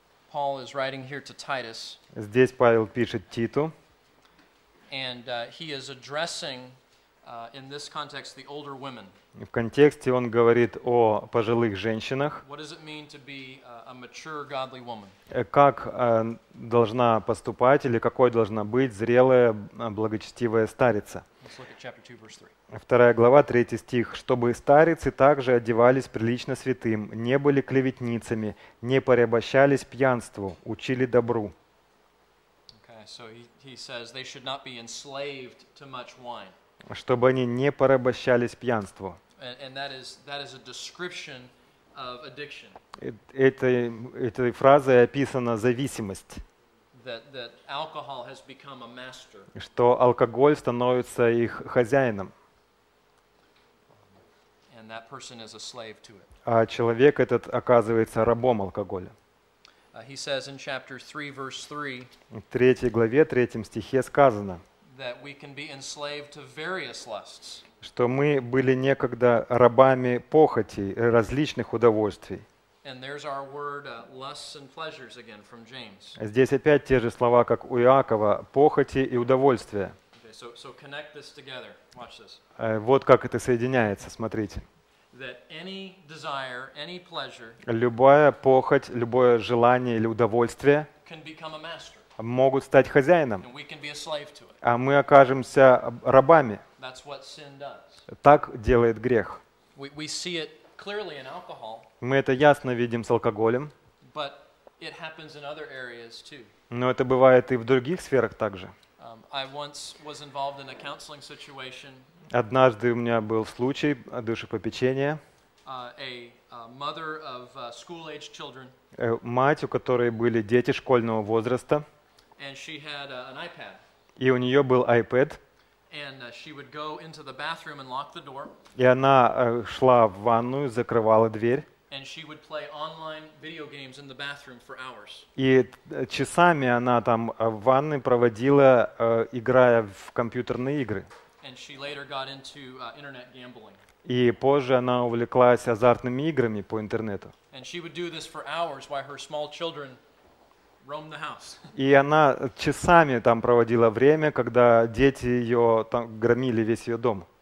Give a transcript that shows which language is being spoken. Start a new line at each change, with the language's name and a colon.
English: Paul is writing here to Titus.
Russian: Здесь Павел пишет Титу.
English: And he is addressing in this context the older women.
Russian: В контексте он говорит о пожилых женщинах.
English: What does it mean to be a mature godly woman?
Russian: Как должна поступать или какой должна быть зрелая благочестивая старица?
English: Let's look at chapter 2, verse 3.
Russian: Вторая глава, третий стих. «Чтобы старицы также одевались прилично святым, не были клеветницами, не порабощались пьянству, учили добру».
English: Okay, so he says they should not be enslaved to much wine.
Russian: Чтобы они не порабощались пьянству.
English: And that is a description of addiction.
Russian: Этой фразой описана зависимость.
English: That alcohol has become a master.
Russian: Что алкоголь становится их хозяином.
English: And that person is a slave to it.
Russian: А человек этот оказывается рабом алкоголя.
English: He says in chapter 3, verse 3,
Russian: в третьей главе, третьем стихе сказано,
English: that we can be enslaved to various lusts.
Russian: Что мы были некогда рабами похоти, различных удовольствий.
English: And there's our word, lusts and pleasures again from James.
Russian: Здесь опять те же слова, как у Иакова, похоти и удовольствия.
English: So connect this together. Watch this.
Russian: Вот как это соединяется, смотрите.
English: That any desire, any pleasure,
Russian: любая похоть, любое желание или удовольствие
English: can become a master.
Russian: Могут стать хозяином,
English: and we can be a slave to it.
Russian: А мы окажемся рабами.
English: That's what sin does.
Russian: Так делает грех.
English: We see it clearly in alcohol,
Russian: мы это ясно видим с алкоголем,
English: but it happens in other areas too.
Russian: Но это бывает и в других сферах также.
English: I once was involved in a counseling situation.
Russian: Однажды у меня был случай душепопечения.
English: A mother of school-age children.
Russian: Мать, у которой были дети школьного возраста.
English: And she had an iPad.
Russian: И у нее был iPad.
English: And she would go into the bathroom and lock the door.
Russian: И она шла в ванную, закрывала дверь.
English: And she would play online video games in the bathroom for hours.
Russian: И часами она там в ванной проводила, играя в компьютерные игры.
English: And she later got into internet gambling.
Russian: И позже она увлеклась азартными играми по интернету.
English: And she would do this for hours while her small children roamed the house.
Russian: И она часами там проводила время, когда дети ее там громили весь ее дом.